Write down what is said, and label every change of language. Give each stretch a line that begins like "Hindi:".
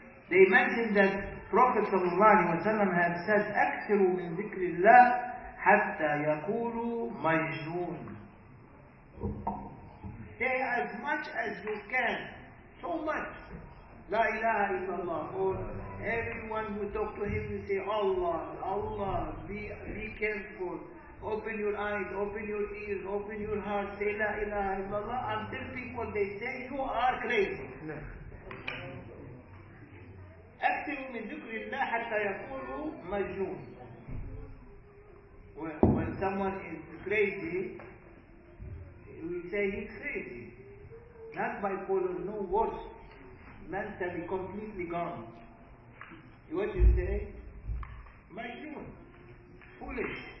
English: They mentioned that Prophet ﷺ had said,
Arabic: أكثروا من ذكر الله حتى يقولوا مجنون.
English: Say as much as you can, so much.
Arabic: La ilaha illallah.
English: Or everyone who talk to him, you say, Allah, Allah, be careful. Open your eyes, open your ears, open your heart, say
Arabic: La ilaha illallah,
English: until people they say you are crazy.
Arabic: أكثر من ذكر الله حتى يقول مجنون.
English: When someone is crazy, we say he's crazy. Not bipolar, no worse. Mentally completely gone. What you say? Majnun. Foolish.